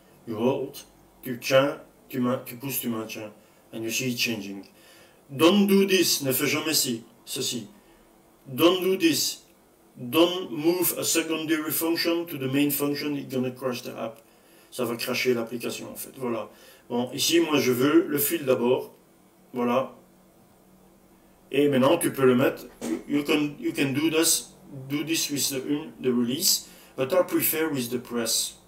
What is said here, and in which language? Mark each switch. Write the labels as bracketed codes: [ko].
[en] You hold, [fr] tu tiens, tu pousses, tu maintiens, [en] and you see it changing. Don't do this, [fr] ne fais jamais ceci. [en] Don't do this. Don't move a secondary function to the main function, it's gonna crash the app. [fr] Ça va crasher l'application, en fait, voilà. Bon, ici, moi, je veux le fill d'abord, voilà. Et maintenant, tu peux le mettre. [en] You can do this with the release, but I prefer with the press.